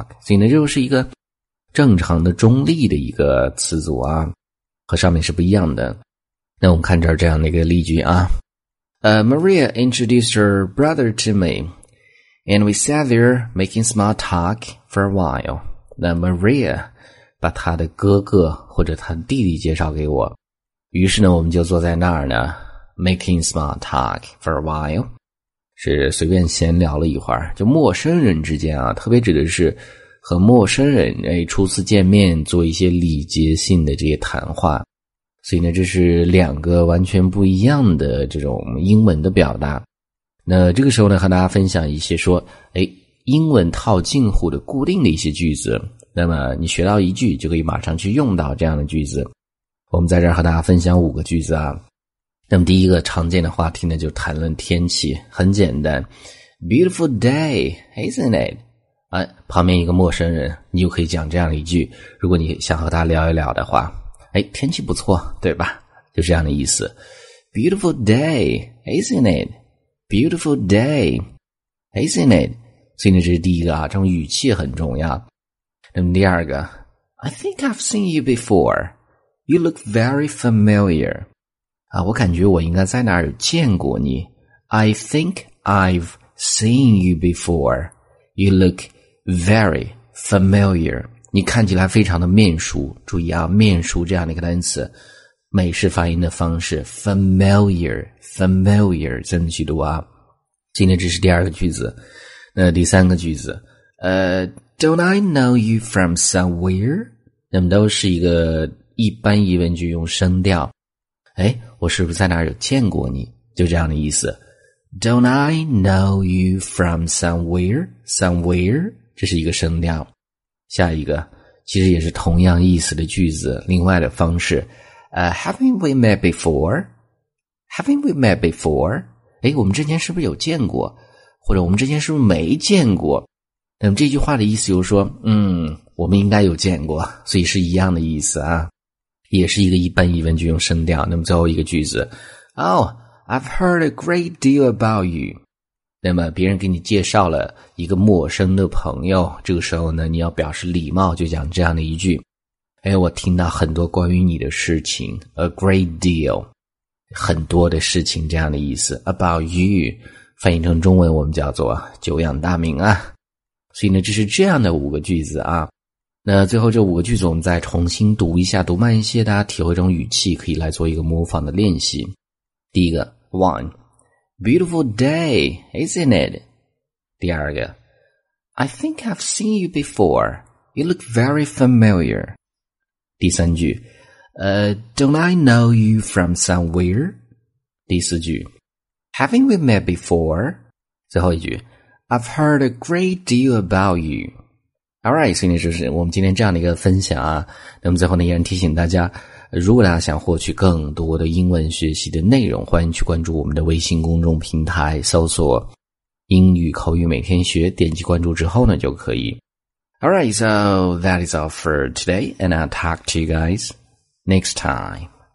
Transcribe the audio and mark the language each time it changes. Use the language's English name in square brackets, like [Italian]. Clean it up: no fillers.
[Chinese] 所以呢，这就是一个正常的中立的一个词组啊，和上面是不一样的。那我们看这儿这样的一个例句啊。 [English] Maria introduced her brother to me, and we sat there making small talk for a while. [Chinese] 那 Maria 把他的哥哥或者他弟弟介绍给我，于是呢我们就坐在那儿呢 [English] making small talk for a while， [Chinese] 是随便闲聊了一会儿。就陌生人之间啊，特别指的是和陌生人初次见面做一些礼节性的这些谈话。所以呢，这是两个完全不一样的这种英文的表达。那这个时候呢，和大家分享一些说英文套近乎的固定的一些句子，那么你学到一句就可以马上去用到这样的句子。我们在这儿和大家分享五个句子啊。那么第一个常见的话题呢，就谈论天气，很简单， [English] Beautiful day, isn't it？ [Chinese] 旁边一个陌生人，你就可以讲这样的一句，如果你想和他聊一聊的话，天气不错，对吧？就这样的意思。 [English] Beautiful day, isn't it? Beautiful day, isn't it? [Chinese] 所以呢，这是第一个啊，这种语气很重要。那么第二个， [English] I think I've seen you before. You look very familiar. [Chinese] 我感觉我应该在哪儿见过你。 [English] I think I've seen you before. You look very familiar. [Chinese] 你看起来非常的面熟。注意啊，面熟这样的一个单词，美式发音的方式 familiar， 怎么去读啊？今天这是第二个句子。那第三个句子， [English] Don't I know you from somewhere？ [Chinese] 那么都是一个一般疑问句，用声调。我是不是在哪儿有见过你？就这样的意思。 [English] Don't I know you from somewhere? Somewhere? [Chinese] 这是一个声调。下一个，其实也是同样意思的句子，另外的方式。 [English] Haven't we met before? Haven't we met before? [Chinese] 我们之前是不是有见过？或者我们之前是不是没见过？那么这句话的意思就是说，我们应该有见过，所以是一样的意思啊。也是一个一般疑问句，用声调。那么最后一个句子。 [English] I've heard a great deal about you. [Chinese] 那么别人给你介绍了一个陌生的朋友，这个时候呢你要表示礼貌，就讲这样的一句。我听到很多关于你的事情， a great deal， 很多的事情，这样的意思。 about you 翻译成中文我们叫做久仰大名啊。所以呢，这是这样的五个句子啊。那最后这五个句子我们再重新读一下，读慢一些，大家体会这种语气，可以来做一个模仿的练习。第一个 [English] ,one, beautiful day, isn't it? [Chinese] 第二个 [English] ,I think I've seen you before, you look very familiar. [Chinese] 第三句 [English] Don't I know you from somewhere? [Chinese] 第四句 [English] Haven't we met before? [Chinese] 最后一句 [English] I've heard a great deal about you. Alright, [Chinese] 所以就是我们今天这样的一个分享啊。那么最后呢，依然提醒大家，如果大家想获取更多的英文学习的内容，欢迎去关注我们的微信公众平台，搜索英语口语每天学，点击关注之后呢就可以。 [English] Alright, so that is all for today, and I'll talk to you guys next time.